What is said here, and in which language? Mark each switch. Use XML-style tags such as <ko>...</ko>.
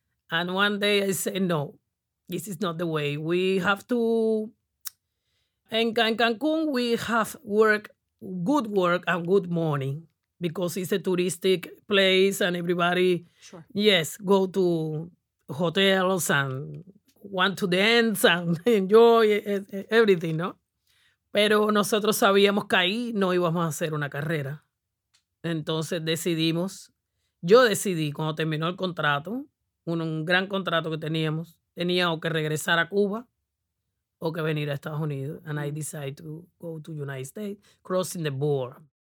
<en>And one day I said, no, this is not the way. We have to, in Cancun, we have good work and good money because it's a touristic place and everybody, sure. Yes, go to hotels and want to dance and enjoy everything, ¿no?</en> <es>Pero nosotros sabíamos que ahí no íbamos a hacer una carrera. Entonces decidimos, yo decidí cuando terminó el contrato, un gran contrato que teníamos, tenía o que regresar a Cuba o que venir a Estados Unidos.</es> <en>And I decided to go to United States, crossing the border.</en>